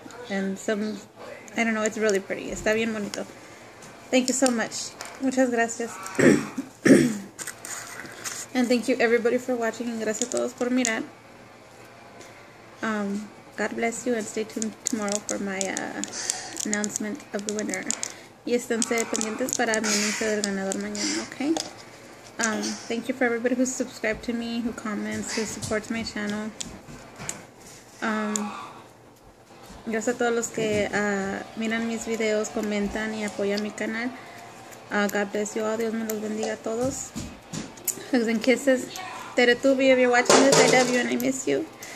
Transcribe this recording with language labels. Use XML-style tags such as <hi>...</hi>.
<en>And some, I don't know. It's really pretty.</en> <es>Está bien bonito.</es> <en>Thank you so much.</en> <es>Muchas gracias.</es> <en>And thank you everybody for watching.</en> <es>Gracias a todos por mirar.</es> <en>God bless you and stay tuned tomorrow for my announcement of the winner.</en> <es>Y esténse pendientes para mi anuncio del ganador mañana, okay?</es> <en>Thank you for everybody who subscribed to me, who comments, who supports my channel.</en> <es>Gracias a todos los que miran mis videos, comentan y apoyan mi canal.</es> <en>God bless you all.</en> <es>Dios me los bendiga a todos.</es> <en>Hugs and kisses. Teretubi, if you're watching this, I love you and I miss you.</en>